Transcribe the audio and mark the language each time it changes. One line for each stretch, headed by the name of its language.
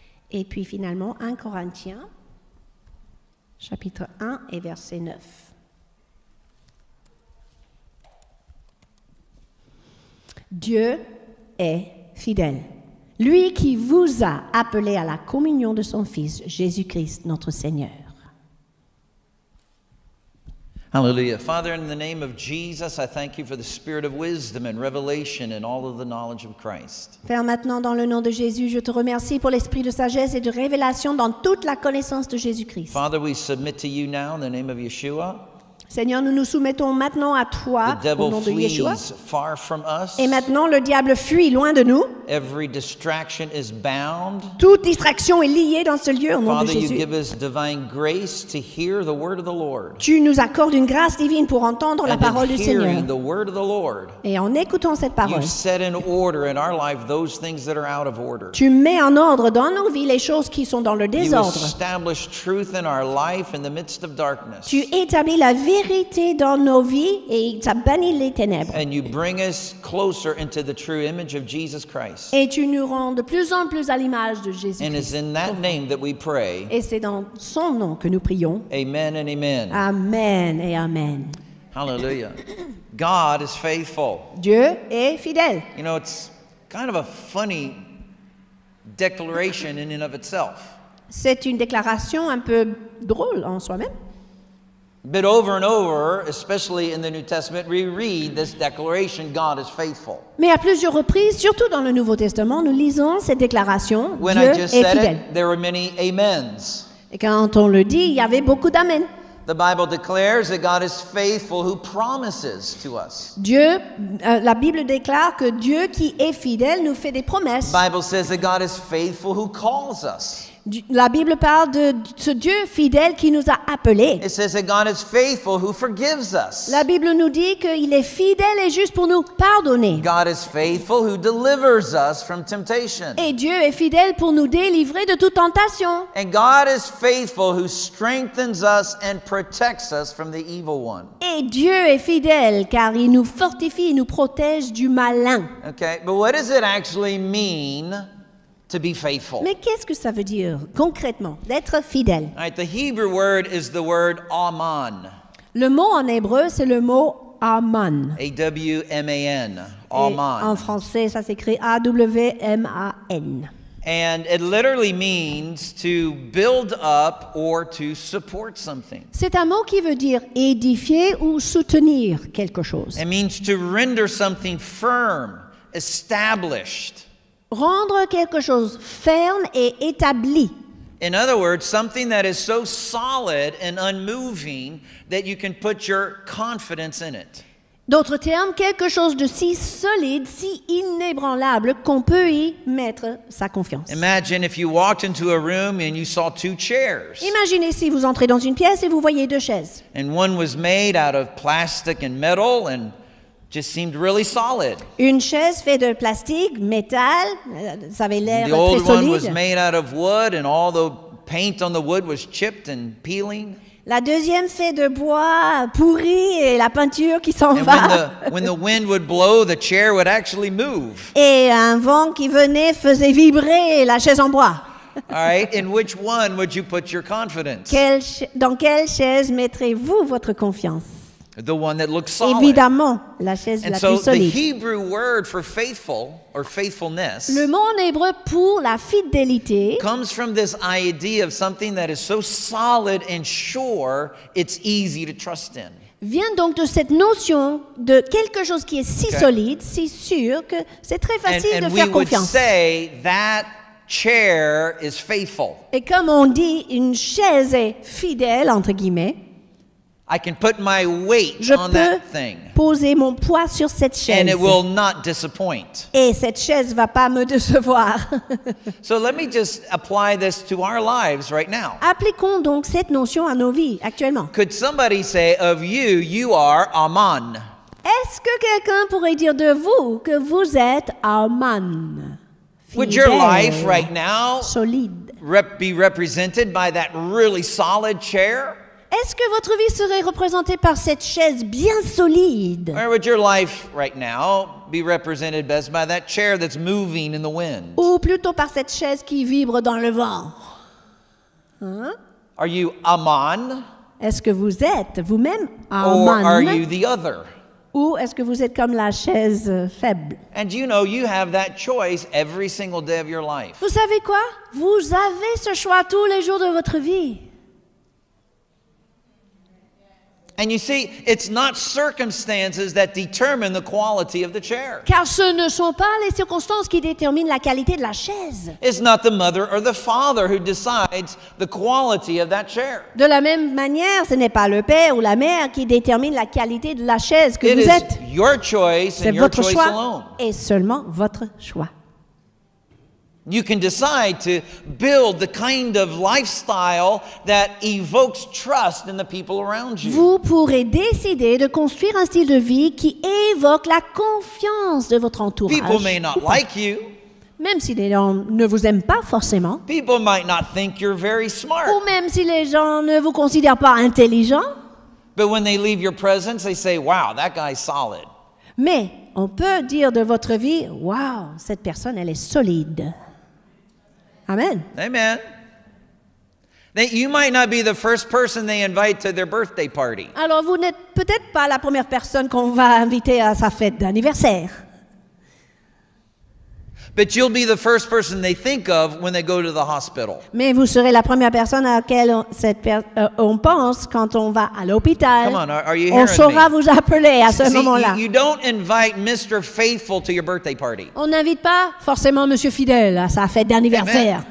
French: Et puis finalement, 1 Corinthiens, chapitre 1 et verset 9. Dieu est fidèle. Lui qui vous a appelé à la communion de son Fils, Jésus-Christ, notre Seigneur.
English: Hallelujah. Father, in the name of Jesus, I thank you for the spirit of wisdom and revelation and all of the knowledge of Christ.
French: Père, maintenant, dans le nom de Jésus, je te remercie pour l'esprit de sagesse et de révélation dans toute la connaissance de Jésus-Christ.
English: Father, we submit to you now in the name of Yeshua.
French: Seigneur, nous nous soumettons maintenant à toi, au nom de Yeshua.
English: Far from us.
French: Et maintenant, le diable fuit loin de nous.
English: Every distraction is bound.
French: Toute distraction est liée dans ce lieu, au nom
English: Father,
French: de Jésus.
English: You give us divine grace to hear the word of the Lord.
French: Tu nous accordes une grâce divine pour entendre
English: And
French: la parole du Seigneur.
English: Hearing the word of the Lord,
French: et en écoutant cette parole,
English: you set in order in our life those things that are out of order.
French: Tu mets en ordre dans nos vies les choses qui sont dans le désordre.
English: You establish truth in our life in the midst of darkness.
French: Tu établis la vie vérité dans nos vies et ça bannit les ténèbres.
English: And you bring us closer into the true image of Jesus Christ. Christ.
French: Et tu nous rends de plus en plus à l'image de Jésus-Christ.
English: And it's in that name that we pray.
French: Et c'est dans son nom que nous prions.
English: Amen and amen.
French: Amen et amen.
English: Hallelujah. God is faithful.
French: Dieu est fidèle.
English: You know, it's kind of a funny declaration in and of itself.
French: C'est une déclaration un peu drôle en soi-même.
English: But over and over, especially in the New Testament, we read this declaration, God is faithful.
French: Mais à plusieurs reprises, surtout dans le Nouveau Testament, nous lisons cette déclaration,
English: when
French: Dieu
English: I just
French: est
English: said
French: fidèle.
English: It, there were many amens.
French: Et quand on le dit, il y avait beaucoup d'amens.
English: The Bible declares that God is faithful who promises to us.
French: La Bible déclare que Dieu qui est fidèle nous fait des promesses.
English: The Bible says that God is faithful who calls us.
French: La Bible parle de ce Dieu fidèle qui nous a appelés.
English: It says that God is faithful who forgives us.
French: La Bible nous dit qu'il est fidèle et juste pour nous pardonner.
English: God is faithful who delivers us from temptation.
French: Et Dieu est fidèle pour nous délivrer de toute tentation.
English: And God is faithful who strengthens us and protects us from the evil one.
French: Et Dieu est fidèle car il nous fortifie et nous protège du malin.
English: Okay, but what does it actually mean to be faithful?
French: Mais qu'est-ce que ça veut dire concrètement d'être fidèle?
English: All right, the Hebrew word is the word aman.
French: Le mot en hébreu c'est le mot aman.
English: A W M A N. Aman.
French: En français ça s'écrit A W M A N.
English: And it literally means to build up or to support something.
French: C'est un mot qui veut dire édifier ou soutenir quelque chose.
English: It means to render something firm, established.
French: Rendre quelque chose ferme et établi.
English: In other words, something that is so solid and unmoving that you can put your confidence in it.
French: D'autres termes, quelque chose de si solide, si inébranlable qu'on peut y mettre sa confiance.
English: Imagine if you walked into a room and you saw two chairs.
French: Imaginez si vous entrez dans une pièce et vous voyez deux chaises.
English: And one was made out of plastic and metal and just seemed really solid.
French: Une chaise faite de plastique, métal, ça avait l'air très solide.
English: The old one was made out of wood and all the paint on the wood was chipped and peeling.
French: La deuxième faite de bois pourri et la peinture qui s'en va.
English: When the wind would blow, the chair would actually move.
French: Et un vent qui venait faisait vibrer la chaise en bois.
English: All right, in which one would you put your confidence?
French: Dans quelle chaise mettrez-vous votre confiance?
English: The one that looks solid.
French: Évidemment, la chaise
English: and
French: la
English: so
French: plus solide.
English: The Hebrew word for faithful or faithfulness.
French: Le mot en hébreu pour la fidélité
English: comes from this idea of something that is so solid and sure, it's easy to trust in.
French: Vient donc de cette notion de quelque chose qui est si okay. solide, si sûr que c'est très facile
English: and
French: de faire confiance.
English: And we would say that chair is faithful.
French: Et comme on dit, une chaise est fidèle entre guillemets.
English: I can put my weight
French: Je
English: on that thing.
French: Je peux poser mon poids sur cette chaise.
English: And it will not disappoint.
French: Et cette chaise va pas me décevoir.
English: So let me just apply this to our lives right now.
French: Appliquons donc cette notion à nos vies actuellement.
English: Could somebody say of you, you are aman?
French: Est-ce que quelqu'un pourrait dire de vous que vous êtes aman?
English: Would your life right now
French: solide.
English: Be represented by that really solid chair?
French: Est-ce que votre vie serait représentée par cette chaise bien solide?
English: Or would your life right now be represented best by that chair that's moving in the wind?
French: Ou plutôt par cette chaise qui vibre dans le vent? Hein?
English: Are you aman?
French: Est-ce que vous êtes vous-même aman?
English: Or are you the other?
French: Ou est-ce que vous êtes comme la chaise faible?
English: And you know you have that choice every single day of your life.
French: Vous savez quoi? Vous avez ce choix tous les jours de votre vie.
English: And you see, it's not circumstances that determine the quality of the chair.
French: Car ce ne sont pas les circonstances qui déterminent la qualité de la chaise.
English: It's not the mother or the father who decides the quality of that chair.
French: De la même manière, ce n'est pas le père ou la mère qui détermine la qualité de la chaise que
English: it
French: vous êtes.
English: It is your choice
French: C'est
English: and your choice
French: choix
English: alone.
French: Et seulement votre choix.
English: You can decide to build the kind of lifestyle that evokes trust in the people around you.
French: Vous pourrez décider de construire un style de vie qui évoque la confiance de votre entourage.
English: People may not like you.
French: Même si les gens ne vous aiment pas forcément.
English: People might not think you're very smart.
French: Ou même si les gens ne vous considèrent pas intelligent.
English: But when they leave your presence, they say, "Wow, that guy's solid."
French: Mais on peut dire de votre vie, wow, cette personne, elle est solide.
English: Amen.
French: Amen.
English: That you might not be the first person they invite to their birthday party.
French: Alors, vous n'êtes peut-être pas la première personne qu'on va inviter à sa fête d'anniversaire.
English: But you'll be the first person they think of when they go to the hospital.
French: Mais vous serez la première personne à laquelle on pense quand on va à l'hôpital.
English: Come on, are you hearing me?
French: On saura
English: me?
French: Vous appeler à ce
English: See,
French: moment-là.
English: You don't invite Mr. Faithful to your birthday party.
French: On n'invite pas forcément Monsieur Fidèle à sa fête d'anniversaire.